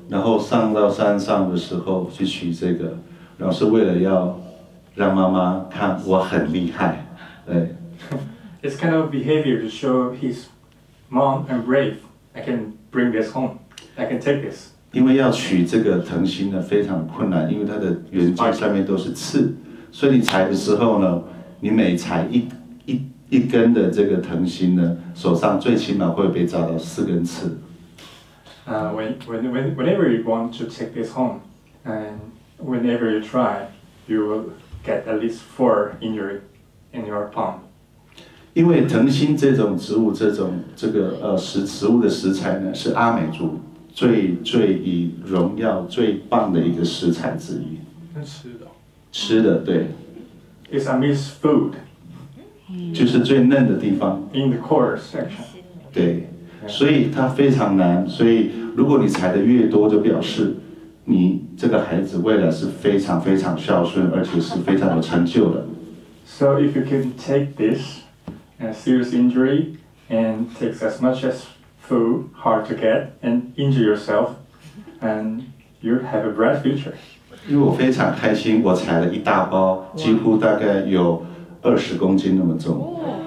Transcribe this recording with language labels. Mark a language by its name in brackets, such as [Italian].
[Chinese] 然后上到山上的时候去取这个，然后是为了要让妈妈看我很厉害，对。 [English] It's kind of behavior to show his mom I'm brave. I can bring this home. I can take this. [Chinese] 因为要取这个藤心呢非常困难，因为它的圆茎上面都是刺，所以你采的时候呢，你每采一根的这个藤心呢，手上最起码会被扎到四根刺。 [English] Whenever you want to take this home, and whenever you try, you will get at least four injury in your palm. [Chinese] 因为藤心这种植物，这种这个植物的食材呢，是阿美族最最以荣耀最棒的一个食材之一。吃的，吃的，对。 [English] It's a miss food. [Chinese] 就是最嫩的地方。 [English] In the core section. [Chinese] 对。所以它非常难，所以如果你采的越多，就表示你这个孩子未来是非常非常孝顺，而且是非常有成就的。 [English] So if you can take this serious injury and takes as much as food hard to get and injure yourself, and you have a bright future. [Chinese] 因为我非常开心，我采了一大包，几乎大概有二十公斤那么重。